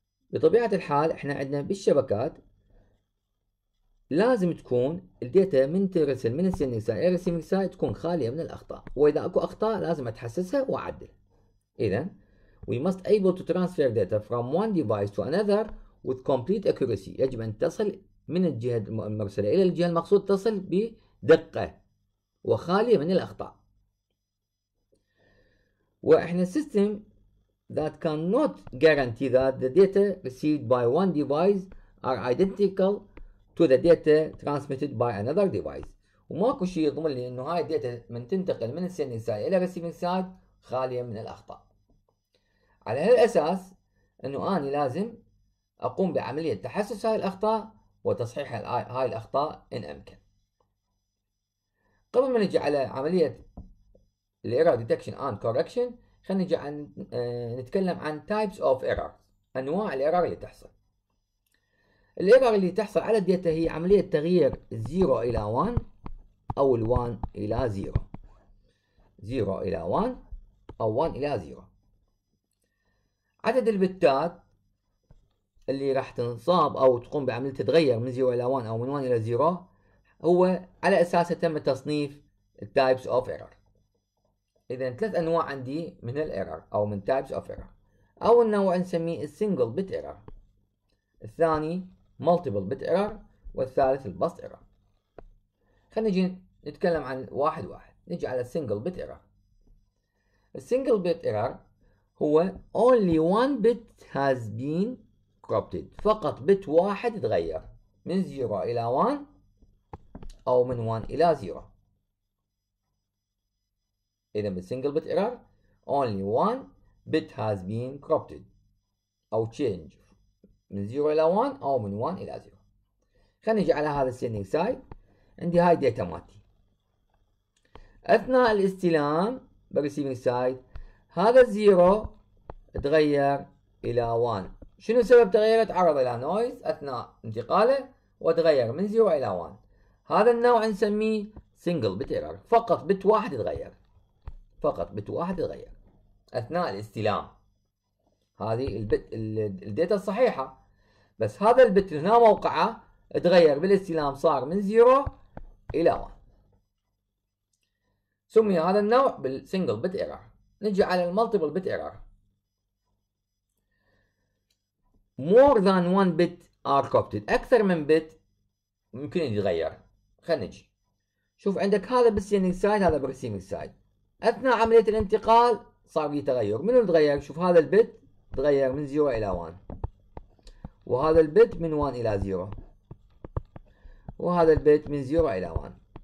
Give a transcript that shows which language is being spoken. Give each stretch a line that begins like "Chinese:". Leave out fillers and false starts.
Arabic: بطبيعه الحال احنا عندنا بالشبكات لازم تكون الديتا من ترسل من السيندينج سايد الى ريسيفينج سايد تكون خاليه من الاخطاء، واذا اكو اخطاء لازم اتحسسها واعدل. اذا
English: we must able to transfer data from one device to another with complete accuracy،
Arabic: يجب ان تصل من الجهه المرسله الى الجهه المقصود تصل ب دقة وخالية من الأخطاء.
English: وإحنا system that cannot guarantee that the data received by one device are identical to the data transmitted by another device.
Arabic: وماكو شيء يضمن لي إنه هاي الداتا من تنتقل من sending side إلى receiving side خالية من الأخطاء. على هالأساس إنه أنا لازم أقوم بعملية تحسس هاي الأخطاء وتصحيح هاي الأخطاء إن أمكن. قبل ما نجي على عملية الـ Error Detection and Correction، خلينا نجي عن نتكلم عن Types of Errors، أنواع الـ Error اللي تحصل. الـ Error اللي تحصل على الداتا هي عملية تغيير 0 إلى 1 أو الـ 1 إلى 0، 0 إلى 1 أو 1 إلى 0. عدد البتات اللي راح تنصاب أو تقوم بعملية تتغير من 0 إلى 1 أو من 1 إلى 0 هو على اساسه تم تصنيف types of error. اذا ثلاث انواع عندي من الايرور او من types of error. اول نوع نسميه single bit error، الثاني multiple bit error، والثالث البسط error. خلينا نجي نتكلم عن واحد واحد. نجي على single bit error. single bit error هو
English: only one bit has been corrupted،
Arabic: فقط بت واحد تغير من 0 الى 1 أو من 1 إلى 0. إذا بالـ single bit error
English: only one bit has been corrupted
Arabic: أو change من 0 إلى 1 أو من 1 إلى 0. خلينا نجي على هذا sending side. عندي هاي data مالتي أثناء الاستلام بالـ receiving side، هذا 0 تغير إلى 1. شنو سبب تغيره؟ تعرض إلى noise أثناء انتقاله وتغير من 0 إلى 1. هذا النوع نسميه single bit error، فقط بت واحد يتغير، فقط بت واحد يتغير أثناء الاستلام. هذه البت الداتا الصحيحة، بس هذا البت هنا موقعه تغير بالاستلام، صار من 0 إلى 1. سمي هذا النوع بال single bit error. نجي على multiple bit error.
English: more than one bit are corrupted،
Arabic: أكثر من بت ممكن يتغير. خلينا نجي شوف عندك هذا بالسيندينج سايد هذا بالريسيفينج سايد، اثناء عمليه الانتقال صار في تغير. منو تغير؟ شوف هذا البت تغير من 0 الى 1، وهذا البت من 1 الى 0، وهذا البت من 0 الى 1.